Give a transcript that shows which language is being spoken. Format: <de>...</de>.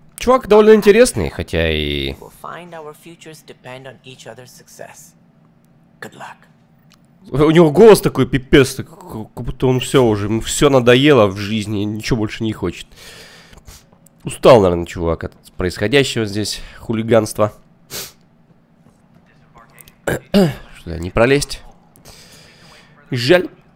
<ru>Чувак довольно интересный, хотя и...</ru> <en>We'll find our futures depend on each other's success. Good luck.</en> <ru>У него голос такой пипец, как будто он все уже, ему все надоело в жизни, ничего больше не хочет. Устал, наверное, чувак от происходящего здесь хулиганства. Что-то не пролезть. Жаль.</ru>